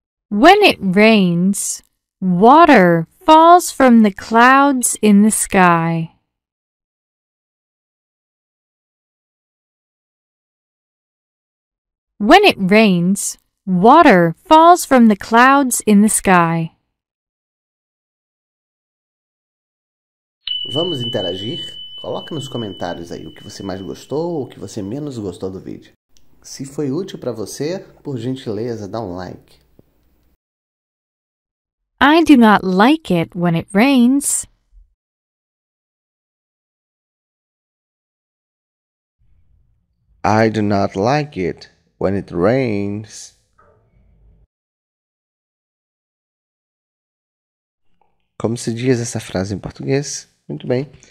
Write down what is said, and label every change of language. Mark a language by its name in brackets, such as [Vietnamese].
[English] When it rains, water falls from the clouds in the sky. When it rains, water falls from the clouds in the sky. [Portuguese] Vamos interagir? Coloque nos comentários aí o que você mais gostou ou o que você menos gostou do vídeo. Se foi útil para você, por gentileza, dá um like. [English] I do not like it when it rains. I do not like it when it rains. [Portuguese] Como se diz essa frase em português? Muito bem.